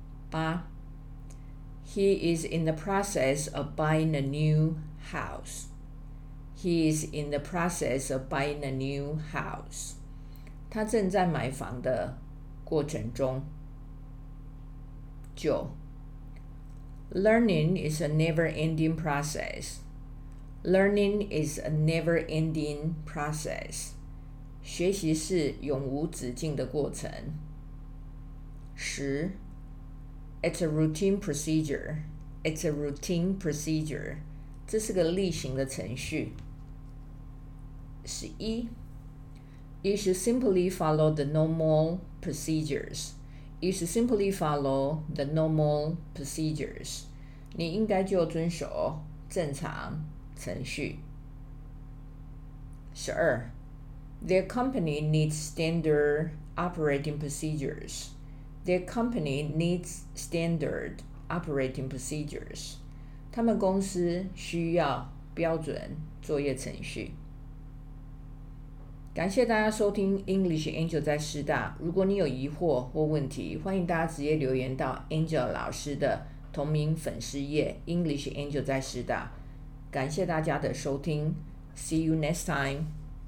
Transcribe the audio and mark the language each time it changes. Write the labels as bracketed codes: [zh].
[en] 八， He is in the process of buying a new house. [zh] 他正在买房的过程中。 [en] 九， Learning is a never-ending process. [zh] 学习是永无止境的过程。十， [en] It's a routine procedure. It's a routine procedure. [zh] 这是个例行的程序。11. [en] You should simply follow the normal procedures. You should simply follow the normal procedures. [zh] 你应该就遵守正常程序。 12. [en] Their company needs standard operating procedures. Their company needs standard operating procedures. [zh] 他们公司需要标准作业程序。感谢大家收听 English Angel 在师大。如果你有疑惑或问题，欢迎大家直接留言到 Angel 老师的同名粉丝页 English Angel 在师大。感谢大家的收听。 [en] See you next time.